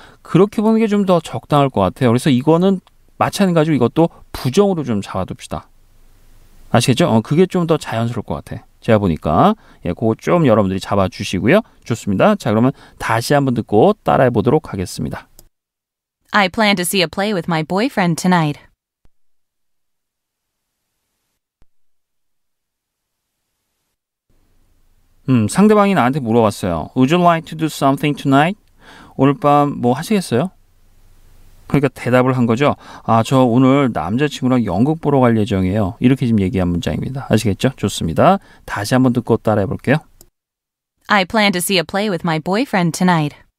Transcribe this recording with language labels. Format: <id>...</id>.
<ko>그렇게 보는 게 좀 더 적당할 것 같아요. 그래서 이거는 마찬가지로 이것도 부정으로 좀 잡아둡시다. 아시겠죠? 그게 좀 더 자연스러울 것 같아. 제가 보니까. 예, 그거 좀 여러분들이 잡아주시고요. 좋습니다. 자, 그러면 다시 한번 듣고 따라해 보도록 하겠습니다.</ko> <en>I plan to see a play with my boyfriend tonight.</en> <ko>상대방이 나한테 물어봤어요.</ko> <en>Would you like to do something tonight?</en> <ko>오늘 밤 뭐 하시겠어요? 그러니까 대답을 한 거죠. 아, 저 오늘 남자친구랑 연극 보러 갈 예정이에요. 이렇게 지금 얘기한 문장입니다. 아시겠죠? 좋습니다. 다시 한번 듣고 따라해 볼게요.</ko> <en>I plan to see a play with my boyfriend tonight.</en>